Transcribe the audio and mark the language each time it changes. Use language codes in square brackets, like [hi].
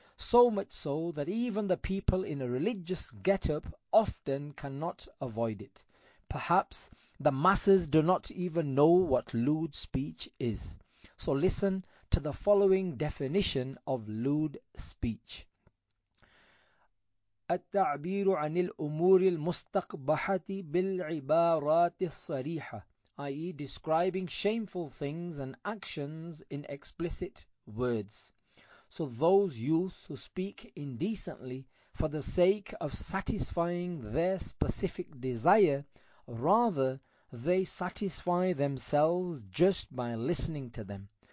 [en] So much so that even the people in a religious get-up often cannot avoid it. Perhaps the masses do not even know what lewd speech is. So listen to the following definition of lewd speech. [ar] التعبير عن الأمور المستقبحة بالعبارات الصريحة, i.e. [en] describing shameful things and actions in explicit words. So those youths who speak indecently for the sake of satisfying their specific desire, rather, they satisfy themselves just by listening to them.